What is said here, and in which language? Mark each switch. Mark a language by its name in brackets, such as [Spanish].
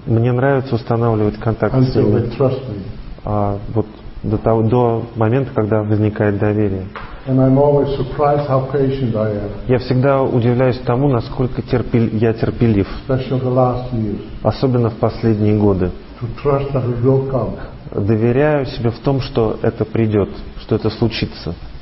[Russian] Мне нравится устанавливать контакт с ними. [English] Until they trust me. [Russian] До момента, когда возникает доверие. [English] And I'm always surprised how patient I am. [Russian] Я всегда удивляюсь тому, насколько я терпелив. [English] Especially the last years. [Russian] Особенно в последние годы. [English] To trust that it will come. [Russian] Доверяю себе в том, что это придет, что это случится.